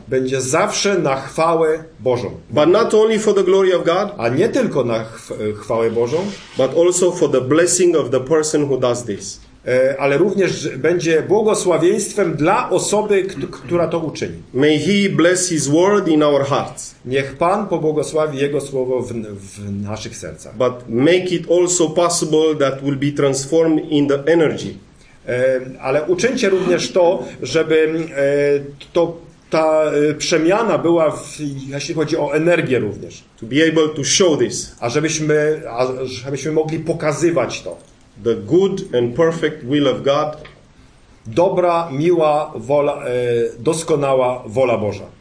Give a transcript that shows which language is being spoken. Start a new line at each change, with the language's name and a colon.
Polish: Będzie zawsze na chwałę Bożą.
English: But not only for the glory of God,
Polish: a nie tylko na chwałę Bożą,
English: but also for the blessing of the person who does this.
Polish: Ale również będzie błogosławieństwem dla osoby, która to uczyni.
English: May he bless his word in our hearts.
Polish: Niech Pan pobłogosławi jego słowo w naszych sercach.
English: But make it also possible that will be transformed in the energy.
Polish: Ale uczyńcie również to, żeby ta przemiana była, jeśli chodzi o energię również.
English: To be able to show this.
Polish: A żebyśmy mogli pokazywać to.
English: The good and perfect will of God.
Polish: Dobra, miła wola, doskonała wola Boża.